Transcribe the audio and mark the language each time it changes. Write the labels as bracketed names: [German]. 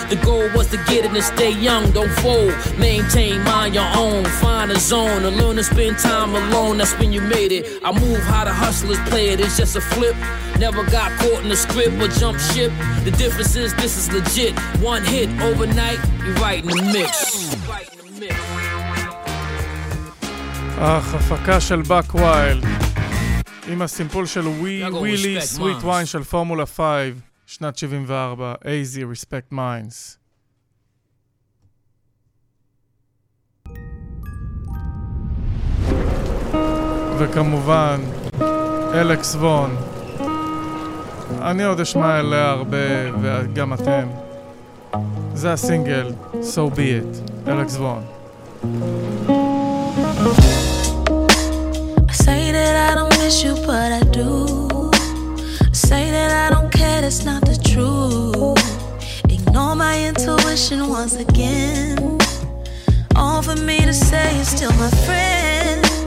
[English] The goal was to get it and stay young. Don't fold. Maintain mind your own. Find a zone. And learn to spend time alone. That's when you made it. I move how the hustlers play it. It's just a flip. Never got caught in the script or jump ship. The difference is this is legit. One hit overnight, you right in the mix. [Hebrew] אך, הפקה של בק ווייל עם הסימפול של ווילי סוויט ווין של פורמולה 5 שנת 74 איזי ריספקט מיינס וכמובן אלכס וון אני עוד אשמע אליה הרבה וגם אתם זה הסינגל So Be It אלכס וון [English] I say that I don't miss you, but I do. I say that I don't care, that's not the truth. Ignore my intuition once again. All for me to say you're still my friend.